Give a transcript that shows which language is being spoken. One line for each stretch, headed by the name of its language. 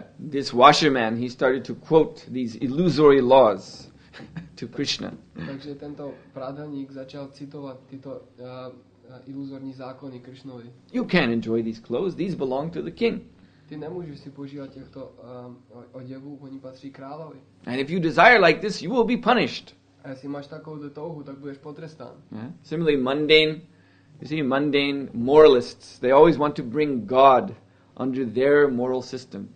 English: This washerman, he started to quote these illusory laws to Krishna.
Czech: Takže tento prádelník začal citovat tyto iluzorní zákony Krishnovi.
English: You can't enjoy these clothes, these belong to the king.
Czech: Ty nemůžeš si požívat těchto oděvů, oni patří královi.
English: And if you desire like this, you will be punished.
Czech: A jestli máš takovou touhu, tak budeš potrestán. Yeah.
English: Similarly, mundane moralists, they always want to bring God under their moral system.